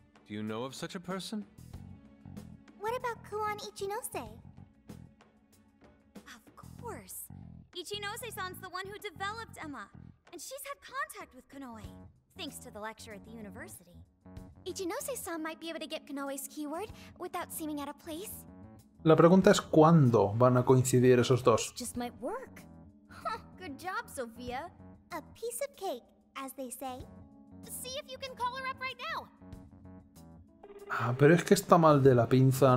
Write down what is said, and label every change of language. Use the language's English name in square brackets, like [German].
[English] Do you know of such a person? What about Kuan Ichinose? Of course. Ichinose-san's the one who developed Emma, and she's had contact with Kanoe, thanks to the lecture at the university. Ichinose-san might be able to get Kanoe's keyword without seeming out of place. [Spanish] La pregunta es cuándo van a coincidir esos dos. [English] Just might work. Good job, Sophia. A piece of cake, as they say. See if you can call her up right now. [Spanish] Ah, pero es que está mal de la pinza.